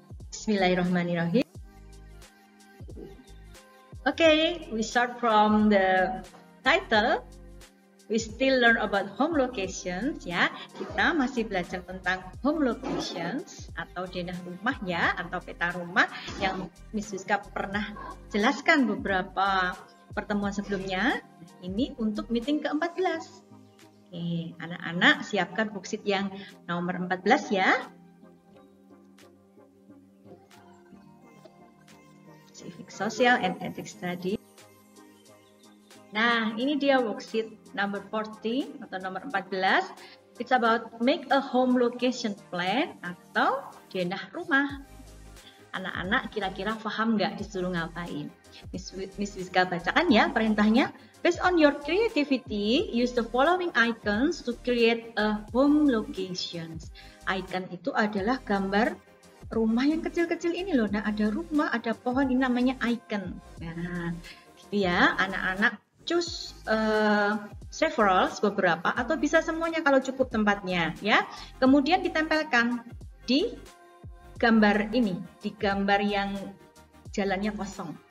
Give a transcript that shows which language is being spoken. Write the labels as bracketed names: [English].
[Arabic] Bismillahirrahmanirrahim. [English] Okay, we start from the title. We still learn about home locations, ya. [Indonesian] Kita masih belajar tentang home locations atau denah rumah, ya, atau peta rumah yang Miss Wiska pernah jelaskan beberapa pertemuan sebelumnya. Ini untuk meeting ke-14. Oke, anak-anak siapkan worksheet yang nomor 14, ya. [English] Civic Social and Ethics Study. [Indonesian] Nah, ini dia [English] worksheet number 14 [Indonesian] atau nomor 14. [English] It's about make a home location plan [Indonesian] atau denah rumah. Anak-anak kira-kira paham nggak disuruh ngapain? Miss Wiska bacakan ya perintahnya. [English] Based on your creativity, use the following icons to create a home location. [Indonesian] Icon itu adalah gambar rumah yang kecil-kecil ini loh. Nah, ada rumah, ada pohon, ini namanya icon. Nah, gitu ya, anak-anak [English] choose several, [Indonesian] beberapa, atau bisa semuanya kalau cukup tempatnya, ya. Kemudian ditempelkan di gambar ini, di gambar yang jalannya kosong.